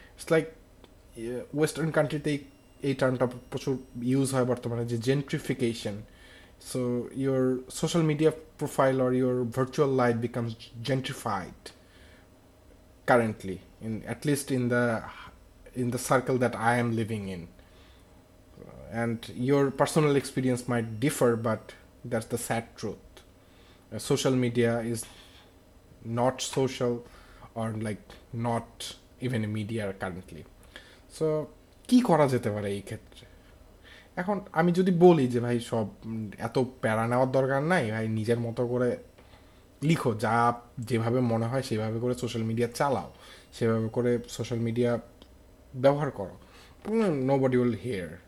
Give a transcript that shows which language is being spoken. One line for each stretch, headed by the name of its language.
English: it's like western
Bangla: কান্ট্রিতেই এই টার্মটা প্রচুর use হয় বর্তমানে, যে জেন্ট্রিফিকেশন।
English: So your social media profile or your virtual life becomes gentrified currently, in at least in the circle that I am living in. And your personal experience might differ, but that's the sad truth. Social media is not social or like not even a media currently.
Bangla: So, কি করা যেতে পারে এই ক্ষেত্রে? এখন আমি যদি বলি যে ভাই সব এত প্যারা নেওয়ার দরকার নাই, ভাই নিজের মতো করে লিখো, যা যেভাবে মনে হয় সেভাবে করে সোশ্যাল মিডিয়া চালাও, সেভাবে করে সোশ্যাল মিডিয়া ব্যবহার করো,
English: nobody will hear.